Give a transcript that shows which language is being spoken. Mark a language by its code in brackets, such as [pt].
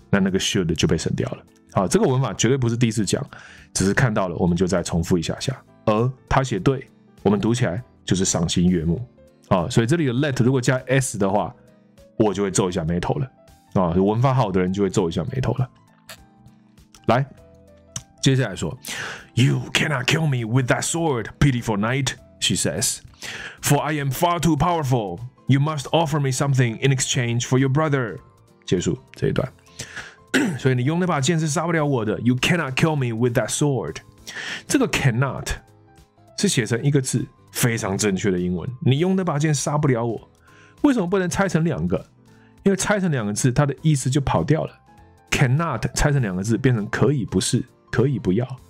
[zh] 那那个 should 就被省掉了。啊，这个文法绝对不是第一次讲，只是看到了，我们就再重复一下下。而他写对，我们读起来就是赏心悦目。啊，所以这里的 let 如果加 s 的话，我就会皱一下眉头了。啊，文法好的人就会皱一下眉头了。来，接下来说 [en] ，You cannot kill me with that sword, pitiful knight. She says, for I am far too powerful. You must offer me something in exchange for your brother. [zh] 结束这一段。所以你用那把剑是杀不了我的。 [en] You cannot kill me with that sword. [zh] 这个 cannot 是写成一个字，非常正确的英文。你用那把剑杀不了我。为什么不能拆成两个？因为拆成两个字，它的意思就跑掉了。Cannot 拆成两个字变成可以不是，可以不要。